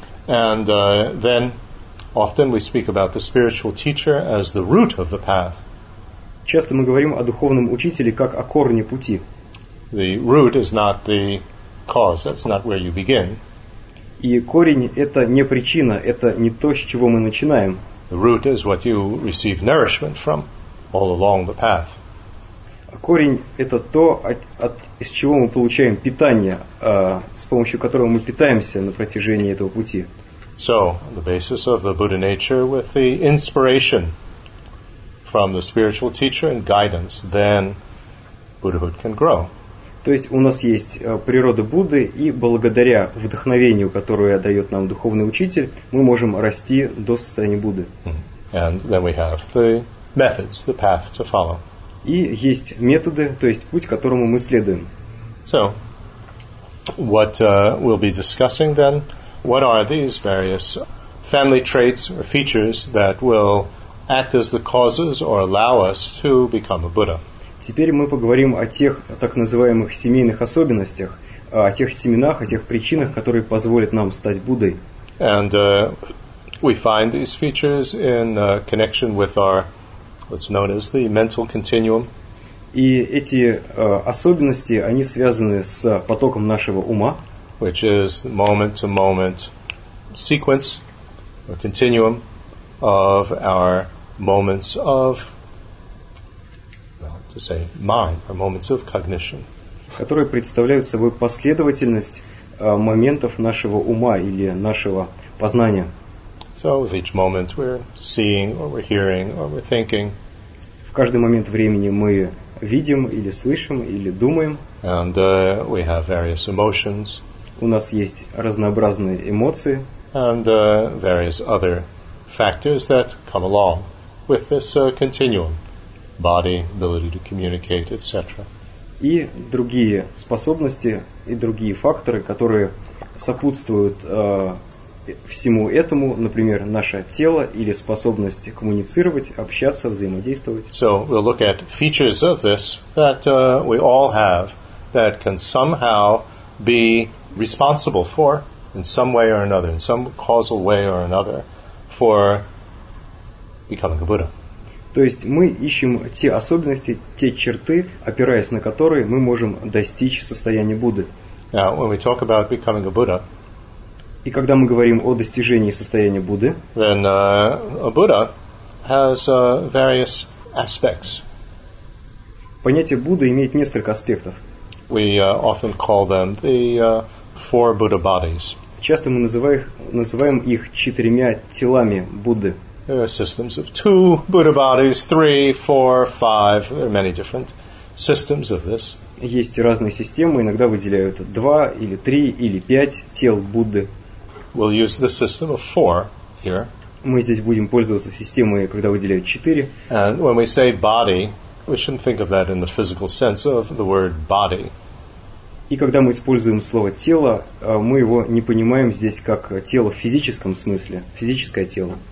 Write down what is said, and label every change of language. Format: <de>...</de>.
<en>And then, often we speak about the spiritual teacher as the root of the path.</en> <ru>Часто мы говорим о духовном учителе как о корне пути.</ru> <en>The root is not the cause, that's not where you begin.</en> <ru>И корень – это не причина, это не то, с чего мы начинаем.</ru> <en>The root is what you receive nourishment from all along the path.</en> <ru>Корень – это то, из чего мы получаем питание, с помощью которого мы питаемся на протяжении этого пути.</ru> <en>So, the basis of the Buddha nature with the inspiration from the spiritual teacher and guidance, then Buddhahood can grow.</en> <ru>То есть у нас есть природа Будды, и благодаря вдохновению, которое дает нам духовный учитель, мы можем расти до состояния Будды.</ru> <en>And then we have the methods, the path to follow.</en> <ru>И есть методы, то есть путь, которому мы следуем.</ru> <en>So, what we'll be discussing then, what are these various family traits or features that will act as the causes or allow us to become a Buddha?</en> <ru>Теперь мы поговорим о тех так называемых семейных особенностях, о тех семенах, о тех причинах, которые позволят нам стать Буддой.</ru> <en>And we find these features in connection with our what's known as the mental continuum.</en> <ru>И эти особенности, они связаны с потоком нашего ума,</ru> <en>which is moment-to-moment sequence or continuum of our moments of, well, to say, mind, or moments of cognition.</en> <ru>Которые представляют собой последовательность моментов нашего ума или нашего познания.</ru> <en>So, with each moment we're seeing, or we're hearing, or we're thinking.</en> <ru>В каждый момент времени мы видим или слышим или думаем.</ru> <en>And, we have various emotions.</en> <ru>У нас есть разнообразные эмоции.</ru> <en>And, various other factors that come along with this continuum: body, ability to communicate, etc.</en> <ru>И другие способности и другие факторы, которые сопутствуют всему этому, например, наше тело или способность коммуницировать, общаться, взаимодействовать.</ru> <en>So we'll look at features of this that we all have that can somehow be responsible for in some way or another, in some causal way or another, for becoming a Buddha.</en> <ru>То есть мы ищем те особенности, те черты, опираясь на которые мы можем достичь состояния Будды.</ru> <en>Now, when we talk about becoming a Buddha,</en> <ru>и когда мы говорим о достижении состояния Будды,</ru> <en>then a Buddha has various aspects.</en> <ru>Понятие Будды имеет несколько аспектов.</ru> <en>We often call them the four Buddha bodies.</en> <ru>Часто мы называем их четырьмя телами Будды.</ru> <en>There are systems of two Buddha bodies, three, four, five. There are many different systems of this.</en> <ru>Есть разные системы. Иногда выделяют два или три или пять тел Будды.</ru> <en>We'll use the system of four here.</en> <ru>мы здесь будем пользоваться системой, когда выделяют четыре.</ru> <en>And when we say body, we shouldn't think of that in the physical sense of the word body.</en> <ru>И когда мы используем слово тело, мы его не понимаем здесь как тело в физическом смысле, физическое тело.</ru>